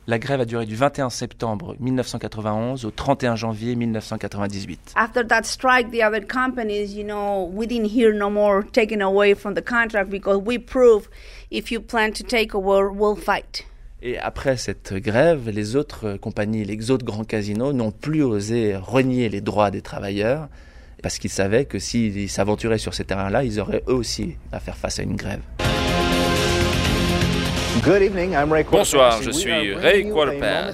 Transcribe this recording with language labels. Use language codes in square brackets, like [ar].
[fr] La grève a duré du 21 septembre 1991 au 31 janvier 1998. [en] After that strike, the other companies, you know, we didn't hear no more taking away from the contract because we prove if you plan to take over, we'll fight. [fr] Et après cette grève, les autres compagnies, les autres grands casinos n'ont plus osé renier les droits des travailleurs parce qu'ils savaient que s'ils s'aventuraient sur ces terrains-là, ils auraient eux aussi à faire face à une grève. Bonsoir, je suis Ray Qualpin.